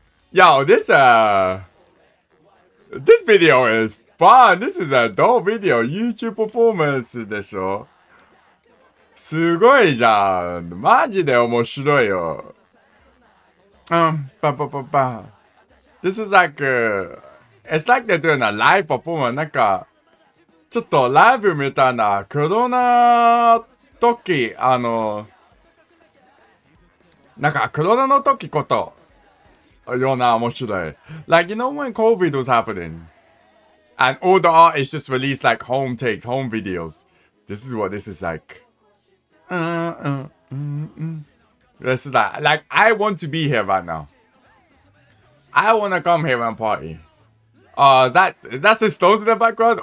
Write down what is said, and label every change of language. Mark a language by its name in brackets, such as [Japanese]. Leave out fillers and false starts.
[English] Yo, this, this video is fun! This is a dope video! YouTube performance [Japanese] でしょ? すごいじゃん!マジで面白いよ! [English] This is like, it's like they're doing a live performance. [Japanese] なんか、ちょっとライブみたいな、コロナ時、なんかコロナの時こと、ような面白い。 [English] Like, you know when COVID was happening? And all the artists just released like home takes, home videos. This is what this is like. This is like, I want to be here right now. I wanna come here and party. Is that the SixTONES in the background?